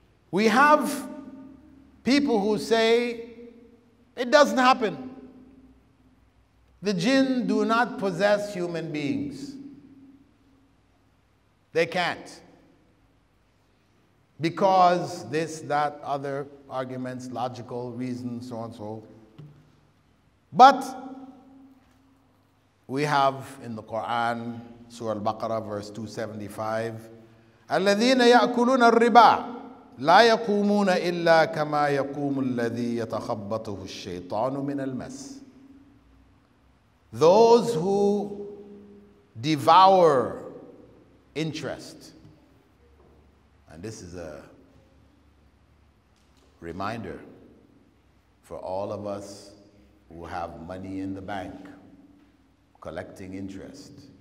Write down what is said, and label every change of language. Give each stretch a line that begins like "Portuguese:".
English: We have people who say, it doesn't happen. The jinn do not possess human beings. They can't. Because this, that, other arguments, logical reasons, so on and so. But we have in the Quran, Surah Al-Baqarah, verse 275,
Arabic: الَّذِينَ يَأْكُلُونَ الرِّبَا لَا يَقُومُونَ إِلَّا كَمَا يَقُومُ الَّذِي يَتَخَبَّطُهُ الشَّيْطَانُ مِنَ الْمَسِ.
English: Those who devour interest, and this is a reminder for all of us who have money in the bank, collecting interest.